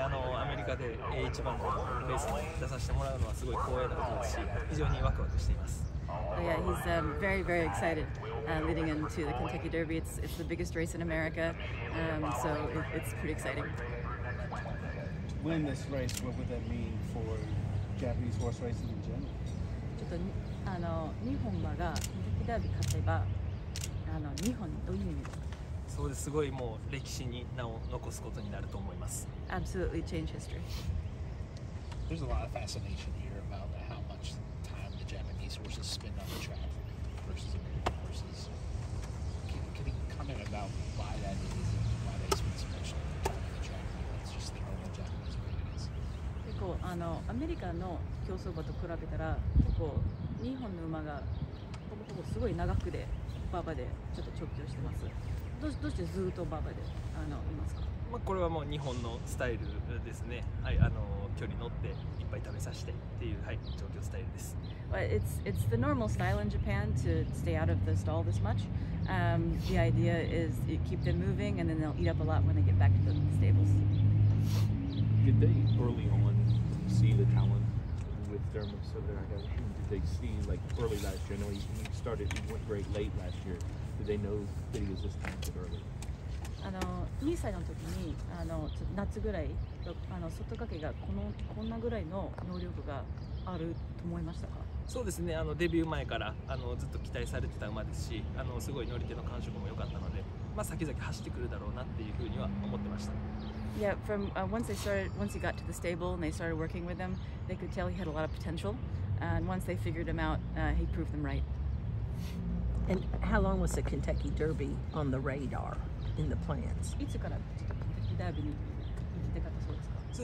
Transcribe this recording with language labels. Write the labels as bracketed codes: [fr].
[ja] アメリカで一番のレースに出させてもらうのはすごい光栄なことですし、非常にワクワクしています。 [en] Oh, yeah, he's very, very excited leading into the Kentucky Derby. It's the biggest race in America, so it's pretty exciting. Win this race, what would that mean for Japanese horse racing in general? [ja] ちょっと日本馬がKentucky Derby 勝てば、日本どういう意味ですか？そうです。すごいもう歴史に名を残すことになると思います。 [en] Absolutely change history. There's a lot of fascination here about how much time the Japanese horses spend on the track versus American horses. Can you comment about why that is and why they spend so much time on the track? It's just the normal Japanese way it is. [ja] 結構アメリカの競走馬と比べたら結構日本の馬がほぼほぼすごい長くで馬場でちょっと調教してます。どうしてずっとババでいますか？まあ、これはもう日本のスタイルですね。はい、距離乗っていっぱい食べさせてっていう、はい、調教スタイルです。 [en] Well, it's the normal style in Japan to stay out of the stall this much. The idea is you keep them moving and then they'll eat up a lot when they get back to the stables. Did they early on see the talent with Derma Sotogake? Did they see like early last year? I know he went great late last year. Do they know that he was this talented early? [ja] 2歳の時に夏ぐらい、外掛けがこんなぐらいの能力があると思いましたか？そうですね。デビュー前からずっと期待されてた馬ですし、すごい乗り手の感触も良かったので、まあ先々走ってくるだろうなっていうふうには思ってました。 [en] Yeah, from once he got to the stable and they started working with him, they could tell he had a lot of potential. And once they figured him out, he proved them right. And how long was the Kentucky Derby on the radar in the plans? [ja] いつからKentucky Derbyに行きたかったそうですか？